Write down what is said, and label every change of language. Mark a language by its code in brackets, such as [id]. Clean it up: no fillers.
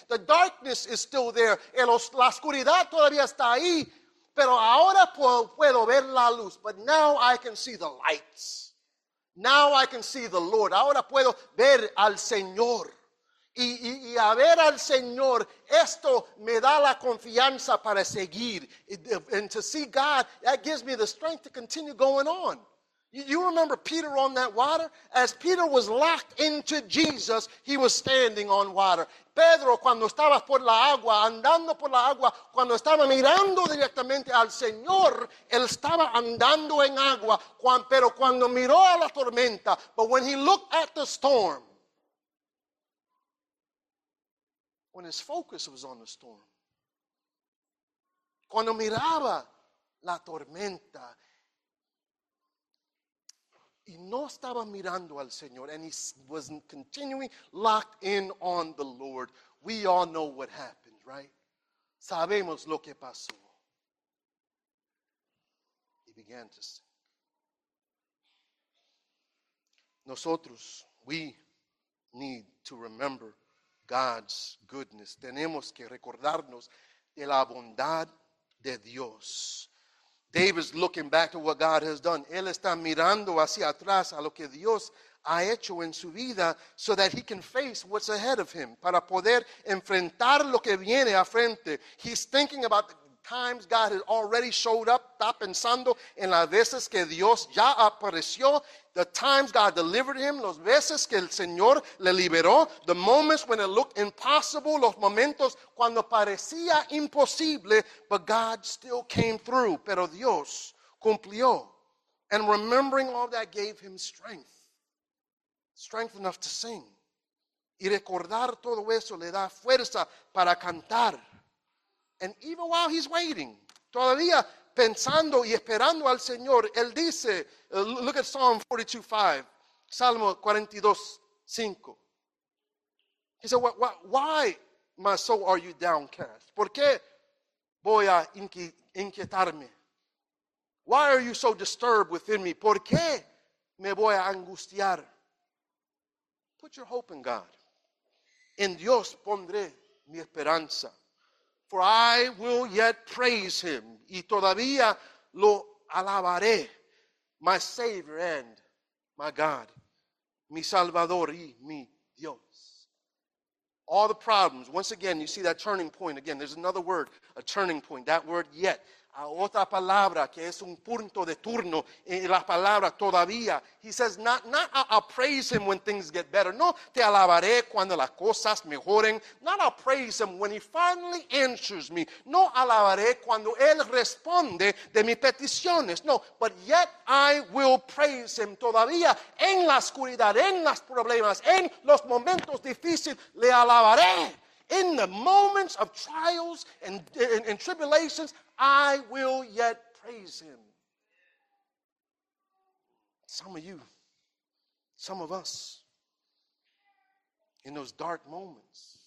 [en] The darkness is still there. [es] La oscuridad todavía está ahí. Pero ahora puedo ver la luz. [en] But now I can see the lights. Now I can see the Lord. [es] Ahora puedo ver al Señor. Y a ver al Señor, esto me da la confianza para seguir. [en] And to see God, that gives me the strength to continue going on. You remember Peter on that water? As Peter was locked into Jesus, he was standing on water. [es] Pedro, cuando estaba por la agua, andando por la agua, cuando estaba mirando directamente al Señor, él estaba andando en agua. Pero cuando miró a la tormenta, [en] but when he looked at the storm, when his focus was on the storm. [es] Cuando miraba la tormenta. Y no estaba mirando al Señor. [en] And he was continuing locked in on the Lord. We all know what happened, right? [es] Sabemos lo que pasó. [en] He began to sing. Nosotros, we need to remember God's goodness. [es] Tenemos que recordarnos de la bondad de Dios. [en] David's looking back to what God has done. [es] Él está mirando hacia atrás a lo que Dios ha hecho en su vida [en] so that he can face what's ahead of him. [es] Para poder enfrentar lo que viene a frente. [en] He's thinking about the times God has already showed up. [es] Está pensando en las veces que Dios ya apareció. [en] The times God delivered him, [es] los veces que el Señor le liberó, [en] the moments when it looked impossible, [es] los momentos cuando parecía imposible, [en] but God still came through, [es] pero Dios cumplió. [en] And remembering all that gave him strength, strength enough to sing. [es] Y recordar todo eso le da fuerza para cantar. [en] And even while he's waiting, [es] todavía pensando y esperando al Señor, él dice, [en] look at Psalm 42:5, [es] Salmo 42:5. [en] He said, why, my soul, are you downcast? [es] ¿Por qué voy a inquietarme? [en] Why are you so disturbed within me? [es] ¿Por qué me voy a angustiar? [en] Put your hope in God. [es] En Dios pondré mi esperanza. [en] For I will yet praise him. [es] Y todavía lo alabaré. [en] My Savior and my God. [es] Mi Salvador y mi Dios. [en] All the problems. Once again, you see that turning point. Again, there's another word, a turning point. That word, yet. [es] A otra palabra, que es un punto de turno. Y la palabra, todavía. [en] He says, not I'll praise him when things get better. [es] No, te alabaré cuando las cosas mejoren. [en] Not I'll praise him when he finally answers me. [es] No, alabaré cuando él responde de mis peticiones. [en] No, but yet I will praise him todavía. [es] En la oscuridad, en los problemas, en los momentos difíciles, le alabaré. [en] In the moments of trials and tribulations, I will yet praise him. Some of you, some of us, in those dark moments,